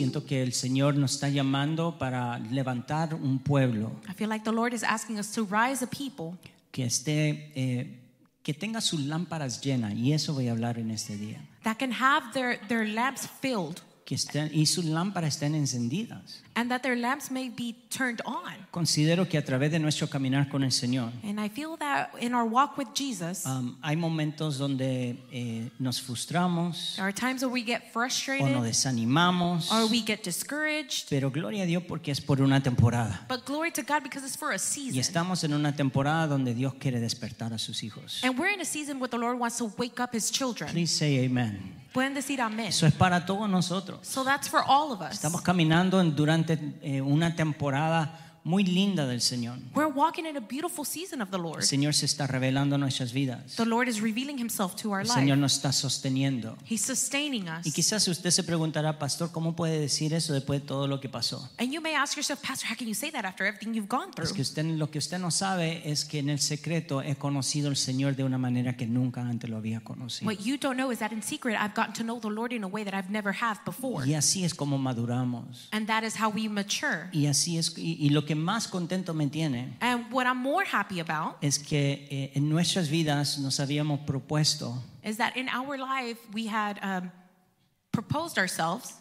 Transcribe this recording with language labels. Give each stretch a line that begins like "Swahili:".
Spanish: el Señor nos está llamando para levantar un pueblo.
English: I feel like the Lord is asking us to rise a people.
Spanish: Que esté, que tenga sus lámparas llenas, y eso voy a hablar en este día.
English: That can have their lamps filled.
Spanish: Que estén, y sus lámparas estén encendidas.
English: And that their lamps may be turned on.
Spanish: Considero que a través de nuestro caminar con el Señor,
English: and I feel that in our walk with Jesus,
Spanish: hay momentos donde nos frustramos,
English: there are times where we get frustrated,
Spanish: o nos desanimamos,
English: or we get discouraged.
Spanish: Pero gloria a Dios porque es por una temporada.
English: But glory to God because it's for a season.
Spanish: Y estamos en una temporada donde Dios quiere despertar a sus hijos.
English: And we're in a season where the Lord wants to wake up His children. Please say amen.
Spanish: Pueden decir amén. Eso es para todos nosotros.
English: So that's for all of us.
Spanish: Estamos caminando durante una temporada muy linda del Señor.
English: We're walking in a beautiful season of the Lord.
Spanish: El Señor se está revelando a nuestras vidas.
English: The Lord is revealing himself to our
Spanish: life. El Señor nos está sosteniendo.
English: He's sustaining us.
Spanish: Y quizás usted se preguntará, pastor, ¿cómo puede decir eso después de todo lo que pasó?
English: And you may ask yourself, pastor, how can you say that after everything you've gone through?
Spanish: Es que usted, lo que usted no sabe es que en el secreto he conocido al Señor de una manera que nunca antes lo había conocido.
English: What you don't know is that in secret I've gotten to know the Lord in a way that I've never have before.
Spanish: Y así es como maduramos.
English: And that is how we mature.
Spanish: Y así es y lo que más contento me tiene,
English: and what I'm more happy about,
Spanish: es que en nuestras vidas nos habíamos propuesto,
English: is that in our life we had proposed ourselves,